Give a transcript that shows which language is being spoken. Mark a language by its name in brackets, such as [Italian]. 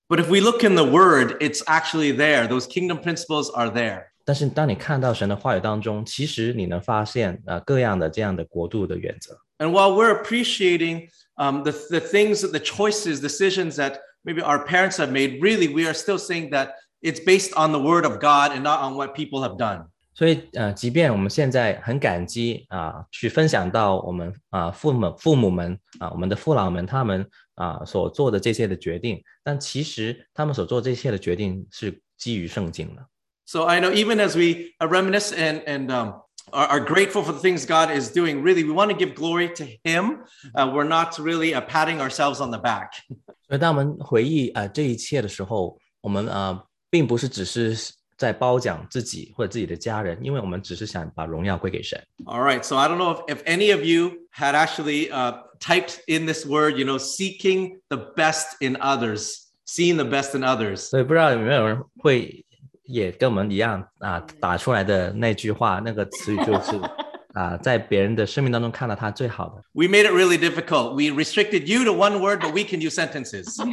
[English] But if we look in the Word, it's actually there. Those kingdom principles are there. [Chinese] 但是当你看到神的话语当中，其实你能发现各样的这样的国度的原则。 [English] And while we're appreciating the things, the choices, decisions that maybe our parents have made, really, we are still saying that. It's based on the word of God and not on what people have done. [Chinese] 所以即便我们现在很感激去分享到我们父母们我们的父老们他们所做的这些的决定，但其实他们所做这些的决定是基于圣经的。 [English] So I know even as we reminisce and are grateful for the things God is doing, really we want to give glory to him. We're not really patting ourselves on the back. [Chinese] 所以当我们回忆这一切的时候，我们并不是只是在褒奖自己或者自己的家人，因为我们只是想把荣耀归给神。 [English] All right, so I don't know if any of you had actually typed in this word, you know, seeking the best in others, seeing the best in others. [Chinese] 所以不知道有没有人会也跟我们一样打出来的那句话，那个词语就是在别人的生命当中看到他最好的。 [English] We made it really difficult. We restricted you to one word, but we can use sentences.